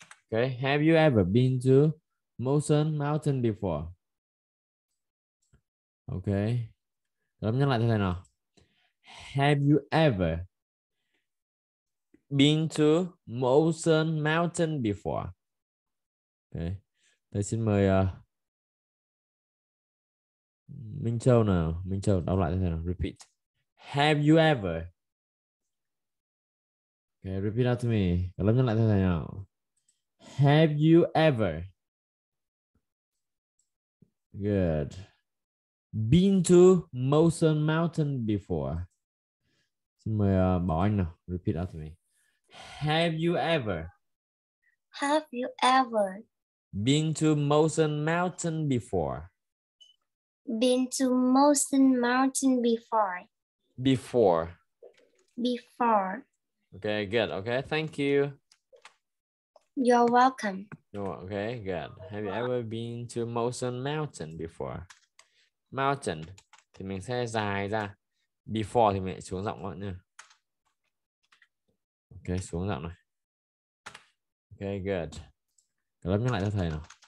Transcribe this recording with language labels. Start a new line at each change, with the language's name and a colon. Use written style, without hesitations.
English: Okay, have you ever been to Mẫu Sơn Mountain before?
Vietnamese: Okay, lặp nhắc lại cho thầy nào.
English: Have you ever been to Mẫu Sơn Mountain before?
Vietnamese: Okay, thầy xin mời Minh Châu nào. Minh Châu đọc lại cho thầy nào. Repeat.
English: Have you ever? Okay, repeat after me.
Vietnamese: Lặp nhắc lại cho thầy nào.
English: Have you ever? Good. Been to Mẫu Sơn Mountain before?
Vietnamese: Xin mời bảo anh nào.
English: Repeat after me. Have you ever? Have you ever? Been to Mẫu Sơn Mountain before? Been to Mẫu Sơn Mountain before? Before. Before. Okay, good. Okay, thank you. You're welcome. You're, okay, good. Have you ever been to Mẫu Sơn Mountain before?
Vietnamese: Mountain thì mình sẽ dài ra. Before thì mình xuống giọng luôn nha. Ok, xuống giọng này. Ok, good. Lặp nhắc lại cho thầy nào.